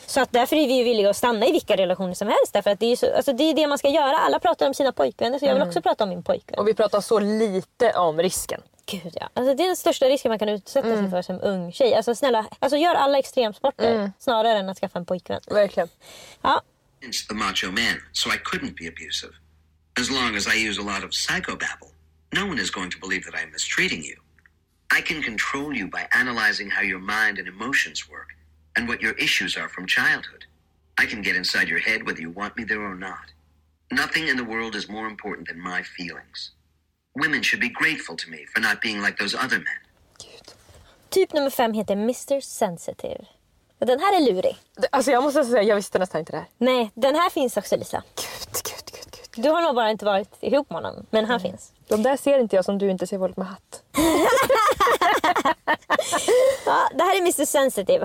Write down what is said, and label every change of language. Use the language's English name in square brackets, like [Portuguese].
[Swedish] Så att därför är vi ju villiga att stanna i vilka relationer som helst. Därför att det är ju så, alltså, det är det man ska göra. Alla pratar om sina pojkvänner, så jag vill också prata om min pojkvän. Och vi pratar så lite om risken. Gud ja. Alltså, det är den största risken man kan utsätta sig för som ung tjej. Alltså, snälla, alltså, gör alla extremsporter snarare än att skaffa en pojkvän. Verkligen. Ja. [English] The macho man, so I couldn't be abusive. As long as I use a lot of psychobabble, no one is going to believe that I'm mistreating you. I can control you by analyzing how your mind and emotions work and what your issues are from childhood. I can get inside your head whether you want me there or not. Nothing in the world is more important than my feelings. Women should be grateful to me for not being like those other men. [Swedish] Typ nummer 5 heter Mr. Sensitive. Och den här är lurig. Alltså, jag måste säga, jag visste nästan inte det här. Nej, den här finns också, Lisa. Gud. Du har nog bara inte varit ihop med honom, men han finns. De där ser inte jag som du inte ser folk med hatt. Ja, det här är Mr. Sensitive.